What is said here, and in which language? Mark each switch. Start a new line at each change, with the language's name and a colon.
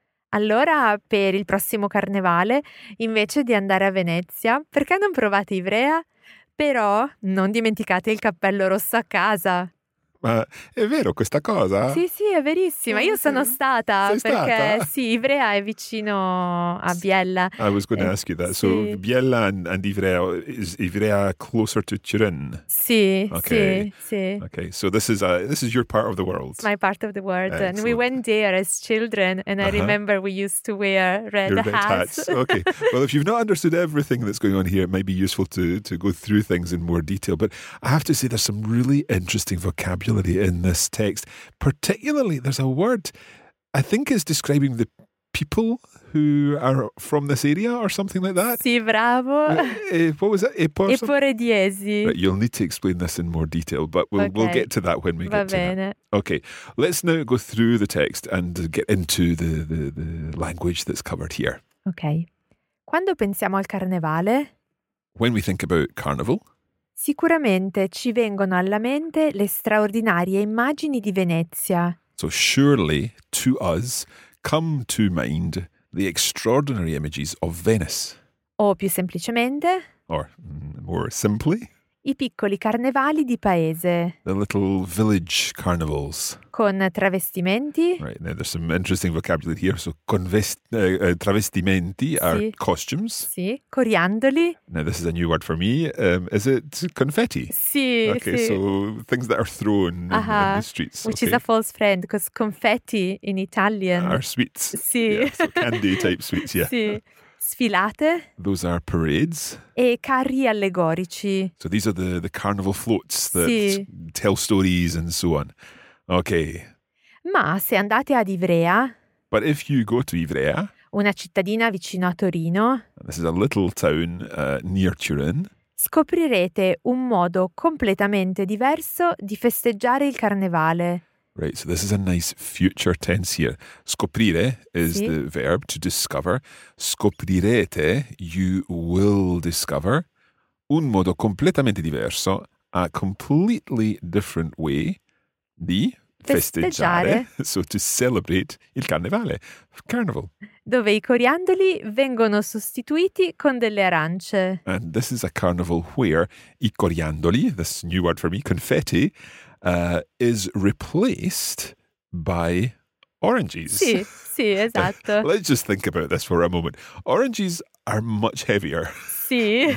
Italian: Allora, per il prossimo carnevale, invece di andare a Venezia, perché non provate Ivrea? Però non dimenticate il cappello rosso a casa! Ma è vero questa cosa? Sì, sì, è verissima. Io sono stata. Sei perché stata? Sì, Ivrea è vicino a Biella.
English: I was going to ask you that. Sì. So Biella and Ivrea, is Ivrea closer to Turin?
Italian: Sì,
English: okay.
Italian: Sì, sì.
English: Okay, so this is your part of the world. It's my part of the world. Excellent. And we went there as children and I remember we used to wear red hats. Okay, well, if you've not understood everything that's going on here, it might be useful to go through things in more detail. But I have to say there's some really interesting vocabulary in this text. Particularly, there's a word I think is describing the people who are from this area or something like that.
Italian: Sì, bravo.
English: What was it?
Italian: Eporediesi.
English: Right, you'll need to explain this in more detail, but we'll get to that when we get to
Italian: bene.
English: That. Okay, let's now go through the text and get into the language that's covered here. Okay.
Italian: Quando pensiamo al carnevale?
English: When we think about carnival.
Italian: Sicuramente ci vengono alla mente le straordinarie immagini di Venezia.
English: So surely to us come to mind the extraordinary images of Venice.
Italian: O più semplicemente.
English: Or more simply.
Italian: I piccoli carnevali di paese.
English: The little village carnivals.
Italian: Con travestimenti.
English: Right, now there's some interesting vocabulary here. So travestimenti are
Italian: sì.
English: Costumes.
Italian: Sì, coriandoli.
English: Now this is a new word for me. Is it confetti?
Italian: Sì,
English: okay,
Italian: sì.
English: So things that are thrown in the streets. Which okay. is a false friend, because confetti in Italian. Are sweets. Sì. Yeah, so candy type sweets, yeah.
Italian: Sì. Sfilate.
English: Those are parades.
Italian: E carri allegorici.
English: So these are the carnival floats that sì. Tell stories and so on. Okay.
Italian: Ma se andate ad Ivrea.
English: But if you go to Ivrea.
Italian: Una cittadina vicino a Torino.
English: This is a little town near Turin.
Italian: Scoprirete un modo completamente diverso di festeggiare il carnevale.
English: Right, so this is a nice future tense here. Scoprire is sì. The verb to discover. Scoprirete, you will discover.
Italian: Un modo completamente diverso,
English: a completely different way
Italian: di festeggiare,
English: so to celebrate il carnevale, carnival. Dove i coriandoli vengono sostituiti con delle arance. And this is a carnival where i coriandoli, this new word for me, confetti, is replaced by oranges.
Italian: Sì, sì, esatto.
English: Let's just think about this for a moment. Oranges are much heavier
Italian: sì.